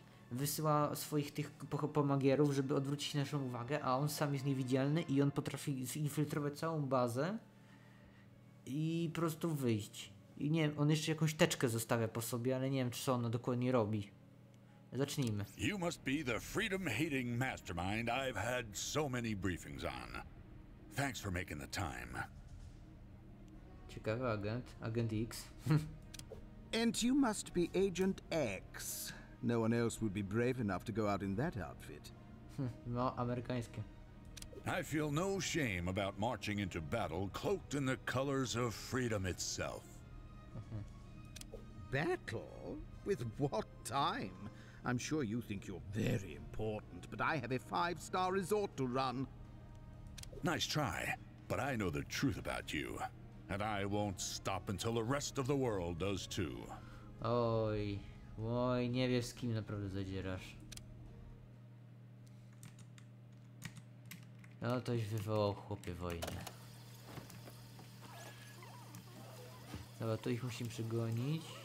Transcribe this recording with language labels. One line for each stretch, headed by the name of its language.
Polish: Wysyła swoich tych pomagierów, żeby odwrócić naszą uwagę, a on sam jest niewidzialny i on potrafi zinfiltrować całą bazę i po prostu wyjść. I nie wiem, on jeszcze jakąś teczkę zostawia po sobie, ale nie wiem, co ona dokładnie robi. Zacznijmy.
English: You must be the freedom-hating mastermind I've had so many briefings on. Thanks for making the time.
Polish: Ciekawy agent. Agent X.
English: And you must be Agent X. No one else would be brave enough to go out in that outfit.
Polish: No, amerykańskie.
English: I feel no shame about marching into battle cloaked in the colors of freedom itself. Battle? With what time? I'm sure you think you're very important, but I have a five-star resort to run. Nice try, but I know the truth about you. And I won't stop until the rest of the world does too.
Polish: Oj, nie wiesz, z kim naprawdę zadzierasz. No toś wywołał, chłopie, wojnę. Dobra, to ich musimy przegonić.